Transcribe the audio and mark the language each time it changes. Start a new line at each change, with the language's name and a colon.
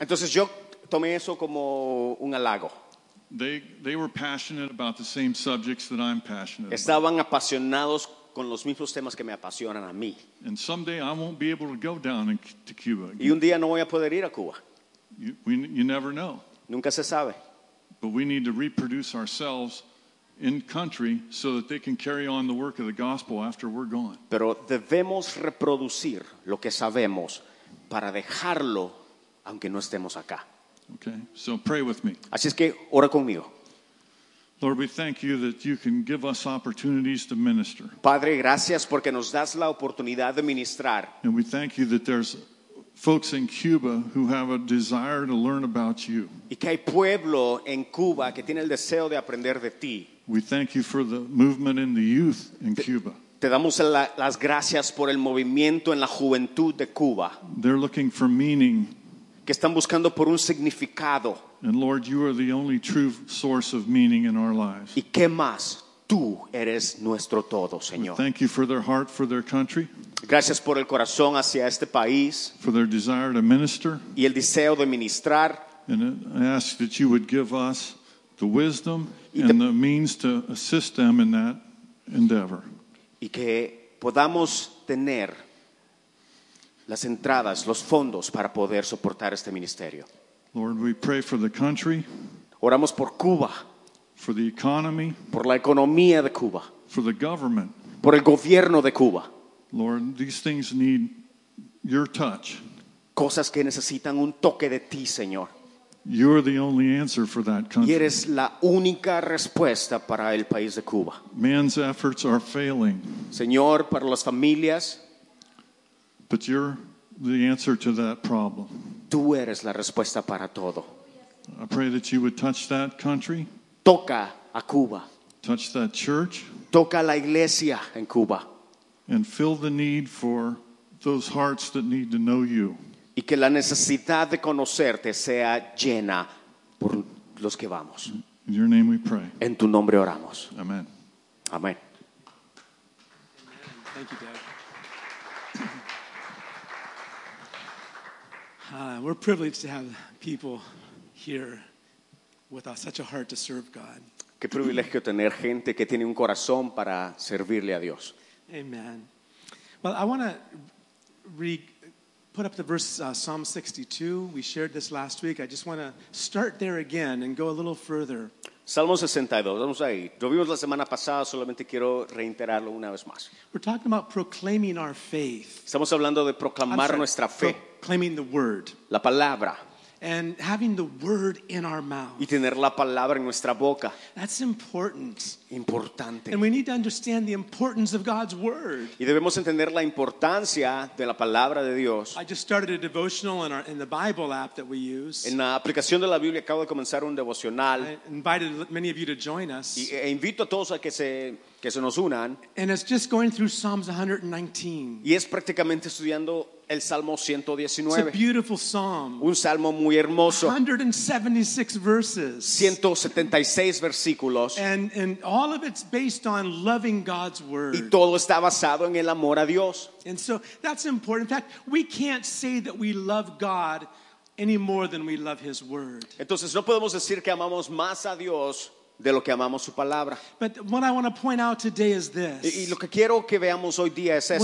Spanish: Entonces yo tomé eso como un halago.
English: They were passionate about the same subjects that I'm passionate
Spanish: Estaban
English: about.
Spanish: Estaban apasionados con los mismos temas que me apasionan a mí.
English: And someday I won't be able to go down to Cuba.
Spanish: Y un día no voy a poder ir a Cuba.
English: You never know.
Spanish: Nunca se sabe.
English: But we need to reproduce ourselves in country so that they can carry on the work of the gospel after we're gone.
Spanish: Pero debemos reproducir lo que sabemos para dejarlo aunque no estemos acá.
English: Okay. So pray with me.
Spanish: Así es que ora conmigo.
English: Lord, we thank you that you can give us opportunities to minister.
Spanish: Padre, gracias porque nos das la oportunidad de ministrar.
English: And we thank you that there's folks in Cuba who have a desire to learn about you.
Spanish: Y que hay pueblo en Cuba que tiene el deseo de aprender de ti.
English: We thank you for the movement in the youth in Cuba.
Spanish: Te damos las gracias por el movimiento en la juventud de Cuba.
English: They're looking for meaning.
Spanish: Que están buscando por un significado.
English: And Lord, you are the only true source of meaning in our lives.
Spanish: ¿Y qué más? Tú eres nuestro todo, Señor.
English: We thank you for their heart for their country.
Spanish: Gracias por el corazón hacia este país.
English: For their desire to minister.
Spanish: Y el deseo de ministrar.
English: And I ask that you would give us the wisdom and the means to assist them in that endeavor.
Spanish: Y que podamos tener las entradas, los fondos para poder soportar este ministerio.
English: Lord, we pray for the country.
Spanish: Oramos por Cuba.
English: For the economy.
Spanish: Por la economía de Cuba.
English: For the government.
Spanish: Por el gobierno de Cuba.
English: Lord, these things need your touch.
Spanish: Cosas que necesitan un toque de ti, Señor.
English: You're the only answer for that country.
Spanish: Y eres la única respuesta para el país de Cuba.
English: Man's efforts are failing.
Spanish: Señor, para las familias.
English: But you're the answer to that problem.
Spanish: Tú eres la respuesta para todo.
English: I pray that you would touch that country.
Spanish: Toca a Cuba.
English: Touch that church.
Spanish: Toca la iglesia en Cuba.
English: And fill the need for those hearts that need to know you.
Spanish: Y que la necesidad de conocerte sea llena por los que vamos.
English: In your name we pray.
Spanish: En tu nombre oramos.
English: Amen.
Spanish: Amen.
English: Amen. Thank you, Dad. We're privileged to have people here with such a heart to serve God.
Spanish: Qué privilegio tener gente que tiene un corazón para servirle a Dios.
English: Amen. Well, I want to put up the verse Psalm 62. We shared this last week. I just want to start there again and go a little further.
Spanish: Salmo 62. Vamos ahí. Lo vimos la semana pasada. Solamente quiero reiterarlo una vez más.
English: We're talking about proclaiming our faith.
Spanish: Estamos hablando de proclamar nuestra fe.
English: Proclaiming the word.
Spanish: La palabra.
English: And having the word in our mouth.
Spanish: Y tener la palabra en nuestra boca.
English: That's important.
Spanish: Importante.
English: And we need to understand the importance of God's word.
Spanish: Y debemos entender la importancia de la palabra de Dios.
English: I just started a devotional in the Bible app that we use.
Spanish: En la aplicación de la Biblia acabo de comenzar un devocional.
English: I invited many of you to join us.
Spanish: Y invito a todos a que se nos unan.
English: And it's just going through Psalms 119.
Spanish: Y es prácticamente estudiando el Salmo 119.
English: It's a beautiful psalm.
Spanish: Un salmo muy hermoso.
English: 176 verses.
Spanish: 176 versículos.
English: And all of it's based on loving God's word.
Spanish: Y todo está basado en el amor a Dios.
English: And so that's important. In fact, we can't say that we love God any more than we love his word.
Spanish: Entonces no podemos decir que amamos más a Dios de lo que amamos su palabra.
English: But what I want to point out today is this.
Spanish: Y lo que quiero que veamos hoy día es esto.